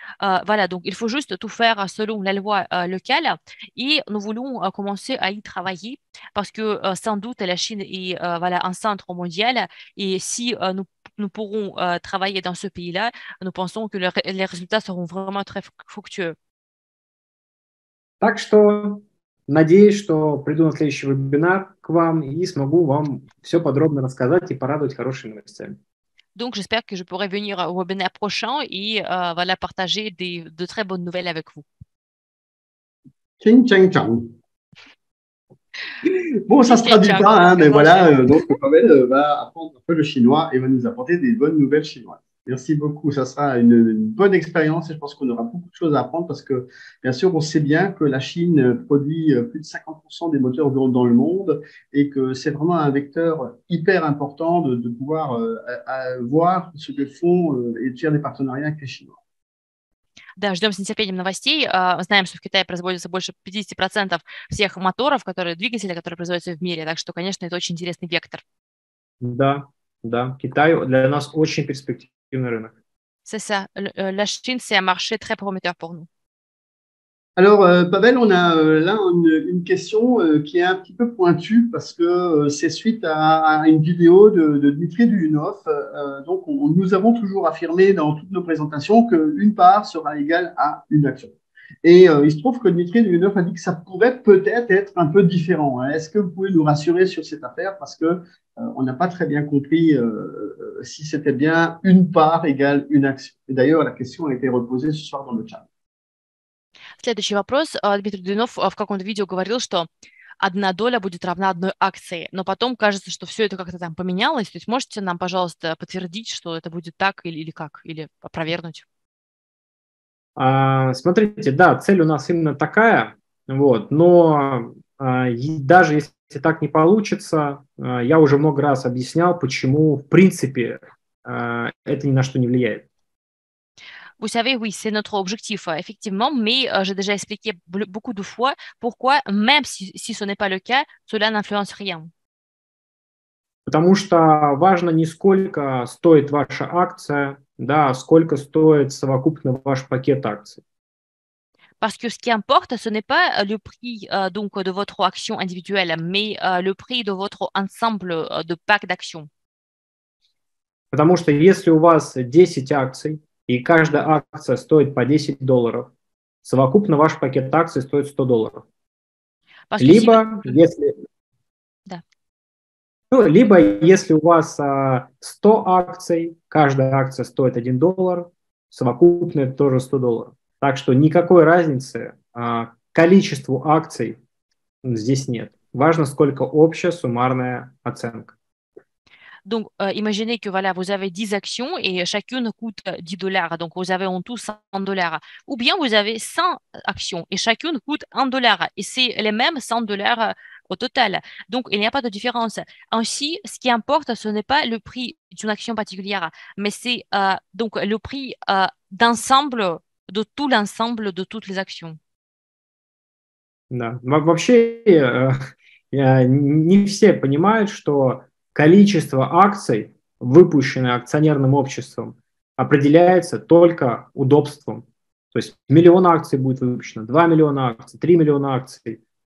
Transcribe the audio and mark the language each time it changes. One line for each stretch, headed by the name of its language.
French: Voilà, donc il faut juste tout faire selon la loi locale et nous voulons commencer à y travailler parce que sans doute la Chine est un centre mondial et si nous pourrons travailler dans ce pays-là, nous pensons que les résultats seront vraiment très fructueux.
Russian: Так что, надеюсь, что приду на следующий вебинар к вам и смогу вам все подробно рассказать и порадовать хорошими новостями.
French: Donc j'espère que je pourrai venir au webinaire prochain
Russian: и
French: voilà partager de très bonnes nouvelles avec vous. Ching ching chang. Bon, ça se traduit pas, hein, mais voilà, donc Pavel va apprendre un peu le chinois et va nous apporter des bonnes nouvelles chinoises. Merci beaucoup, ça sera une bonne expérience et je pense qu'on aura beaucoup de choses à apprendre parce que, bien sûr, on sait bien que la Chine produit plus de 50% des moteurs dans le monde et que c'est vraiment un vecteur hyper important de pouvoir voir ce que font et de faire des partenariats avec les Chinois.
Russian: Да, ждем с нетерпением новостей. Мы знаем, что в Китае производится больше 50% всех моторов, двигателей, которые производятся в мире. Так что, конечно, это очень интересный вектор. Да, да. Китай для нас очень перспективный рынок.
French: C'est ça. La Chine, c'est un marché très prometteur pour nous. Alors, Pavel, on a là une question qui est un petit peu pointue parce que c'est suite à une vidéo de Dmitri Dulunov. Donc, nous avons toujours affirmé dans toutes nos présentations qu'une part sera égale à une action. Et il se trouve que Dmitri Dulunov a dit que ça pourrait peut-être être un peu différent. Est-ce que vous pouvez nous rassurer sur cette affaire parce que on n'a pas très bien compris si c'était bien une part égale une action. Et d'ailleurs, la question a été reposée ce soir dans le chat.
Russian: Следующий вопрос. Дмитрий Дунов в каком-то видео говорил, что одна доля будет равна одной акции, но потом кажется, что все это как-то там поменялось. То есть можете нам, пожалуйста, подтвердить, что это будет так или как, или опровергнуть? Смотрите, да, цель у нас именно такая, вот, но даже если так не получится, я уже много раз объяснял, почему в принципе это ни на что не влияет.
French: Vous savez, oui, c'est notre objectif, effectivement, mais j'ai déjà expliqué beaucoup de fois pourquoi, même si ce n'est pas le cas, cela n'influence rien.
Russian: Потому что важно не сколько стоит ваша акция, да, сколько стоит совокупно ваш пакет акций.
French: Parce que ce qui importe, ce n'est pas le prix donc de votre action individuelle, mais le prix de votre ensemble de pack d'actions.
Russian: Потому что если у вас 10 акций, и каждая акция стоит по 10 долларов. Совокупно ваш пакет акций стоит 100 долларов. Либо если... Да. Ну, либо если у вас 100 акций, каждая акция стоит 1 доллар, совокупно это тоже 100 долларов. Так что никакой разницы количеству акций здесь нет. Важно, сколько общая суммарная оценка.
French: Donc, imaginez que voilà, vous avez 10 actions et chacune coûte 10 dollars. Donc, vous avez en tout 100 dollars. Ou bien vous avez 100 actions et chacune coûte 1 dollar. Et c'est les mêmes 100 dollars au total. Donc, il n'y a pas de différence. Ainsi, ce qui importe, ce n'est pas le prix d'une action particulière, mais c'est donc le prix d'ensemble, de tout l'ensemble de toutes les actions.
Russian: Да. Но вообще, не все понимают, что количество акций, выпущенных акционерным обществом, определяется только удобством. То есть 1 000 000 акций будет выпущено, 2 миллиона акций, 3 миллиона акций.